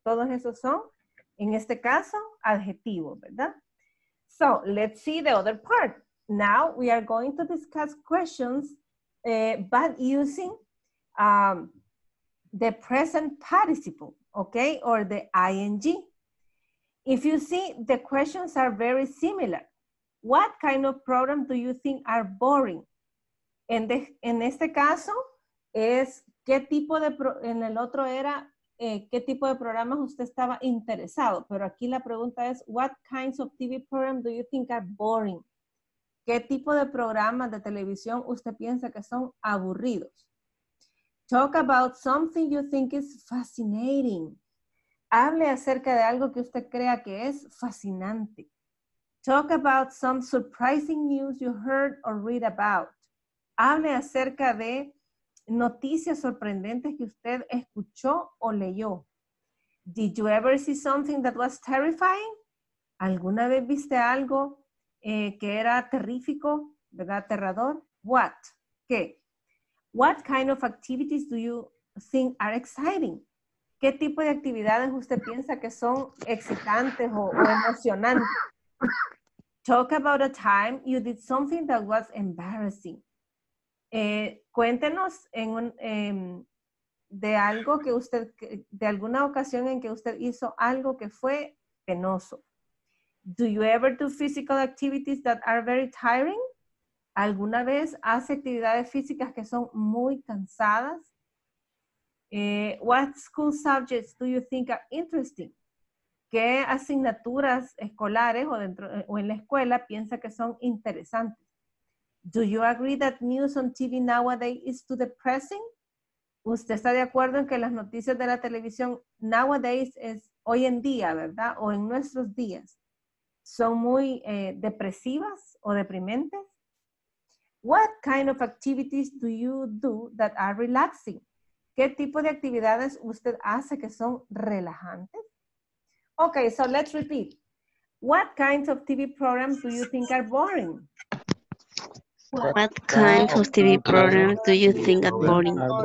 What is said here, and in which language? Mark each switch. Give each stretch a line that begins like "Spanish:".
Spanish: Todos esos son, en este caso, adjetivos, ¿verdad?
English: So, let's see the other part. Now, we are going to discuss questions, but using the present participle, okay? Or the ing. If you see, the questions are very similar. What kind of program do you think are boring?
Spanish: En este caso, es qué tipo de, en el otro era, qué tipo de programas usted estaba interesado. Pero aquí la pregunta es,
English: what kinds of TV programs do you think are boring?
Spanish: ¿Qué tipo de programas de televisión usted piensa que son aburridos?
English: Talk about something you think is fascinating.
Spanish: Hable acerca de algo que usted crea que es fascinante.
English: Talk about some surprising news you heard or read about.
Spanish: Hable acerca de noticias sorprendentes que usted escuchó o leyó.
English: Did you ever see something that was terrifying?
Spanish: ¿Alguna vez viste algo que era terrífico, verdad, aterrador?
English: What? ¿Qué? What kind of activities do you think are exciting?
Spanish: ¿Qué tipo de actividades usted piensa que son excitantes o emocionantes?
English: Talk about a time you did something that was embarrassing.
Spanish: Cuéntenos en un, de algo que usted, de alguna ocasión en que usted hizo algo que fue penoso.
English: Do you ever do physical activities that are very tiring?
Spanish: ¿Alguna vez hace actividades físicas que son muy cansadas?
English: What school subjects do you think are interesting?
Spanish: ¿Qué asignaturas escolares o dentro o en la escuela piensa que son interesantes?
English: Do you agree that news on TV nowadays is too depressing?
Spanish: ¿Usted está de acuerdo en que las noticias de la televisión nowadays es hoy en día, verdad? O en nuestros días, son muy depresivas o deprimentes?
English: What kind of activities do you do that are relaxing?
Spanish: ¿Qué tipo de actividades usted hace que son relajantes?
English: Okay, so let's repeat. What kinds of TV programs do you think are boring? What kinds of TV programs do you think are boring?